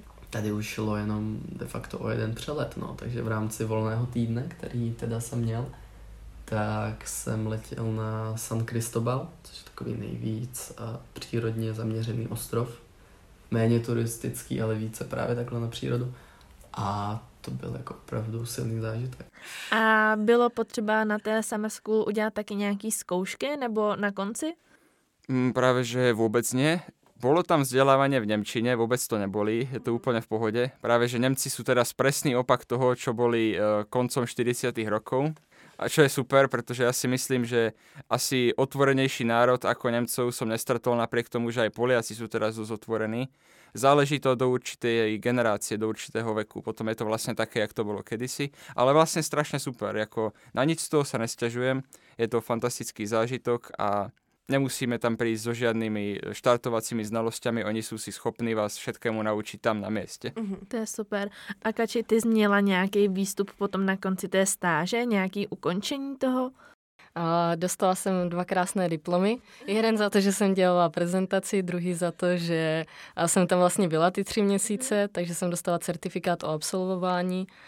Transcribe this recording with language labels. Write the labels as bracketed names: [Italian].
[Czech] Tady už šlo jenom de facto o jeden přelet, no, takže v rámci volného týdne, který teda jsem měl, tak jsem letěl na San Cristobal, což je takový nejvíc přírodně zaměřený ostrov, méně turistický, ale více právě takhle na přírodu. A to byl jako opravdu silný zážitek. A bylo potřeba na té summer school udělat taky nějaký zkoušky nebo na konci? Právě že vůbec ne. [Slovak] Bolo tam vzdelávanie v nemčine, vôbec to nebolí, je to úplne v pohode. Práve že Nemci sú teraz presný opak toho, čo boli koncom 40. rokov. A čo je super, pretože ja si myslím, že asi otvorenejší národ ako Nemcov som nestretol, napriek tomu, že aj Poliaci sú teraz dosť otvorení. Záleží to do určitej generácie, do určitého veku. Potom je to vlastne také, jak to bolo kedysi. Ale vlastne strašne super, ako na nič z toho sa nesťažujem. Je to fantastický zážitok a nemusíme tam prísť so žiadnymi štartovacími znalosťami, oni sú si schopní vás všetkému naučiť tam na mieste. To je super. [Czech] A Kači, ty jsi měla nějaký výstup potom na konci té stáže, nějaký ukončení toho? Dostala jsem 2 krásné diplomy. Jeden za to, že jsem dělala prezentaci, druhý za to, že jsem tam vlastně byla ty 3 měsíce, takže jsem dostala certifikát o absolvování.